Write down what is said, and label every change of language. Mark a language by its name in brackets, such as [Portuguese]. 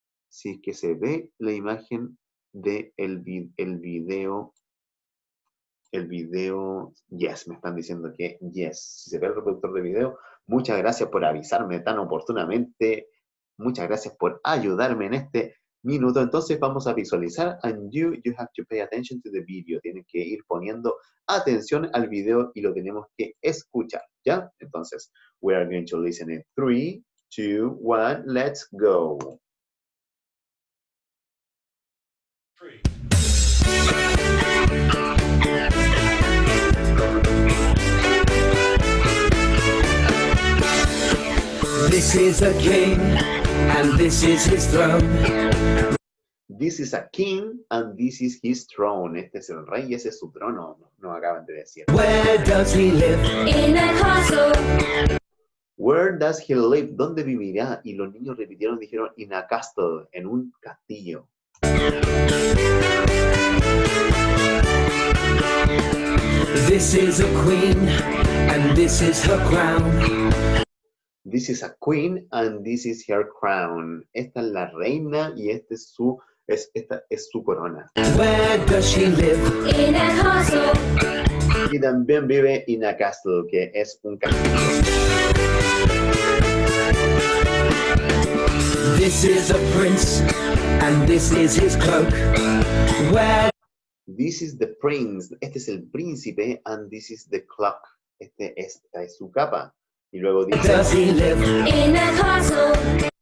[Spanish] Si es que se ve la imagen del video. El video, yes, me están diciendo que yes. Si se ve el reproductor de video, muchas gracias por avisarme tan oportunamente. Muchas gracias por ayudarme en este minuto. Entonces vamos a visualizar. [English] And you have to pay attention to the video. [Spanish] Tienen que ir poniendo atención al video y lo tenemos que escuchar, ¿ya? Entonces, [English] we are going to listen in 3, 2, 1, let's go. This is a king, and this is his throne. This is a king and this is his throne. [Spanish] Este es el rey y ese es su trono, nos acaban de decir. [English] Where does he live? In a castle. Where does he live? [Spanish] ¿Dónde vivirá? Y los niños repitieron, dijeron, [English] in a castle, [Spanish] en un castillo. [English] This is a queen and this is her crown. This is a queen and this is her crown. [Spanish] Esta es la reina y este es su... esta es su corona. [English] Where does she live? In a castle. [Spanish] Y también vive [English] in a castle, [Spanish] que es un castillo. [English] This is a prince, and this is his cloak. Where? This is the prince. [Spanish] Este es el príncipe, [English] and this is the cloak. [Spanish] Esta es su capa. Y luego dice. [English] Where does he live? In a castle.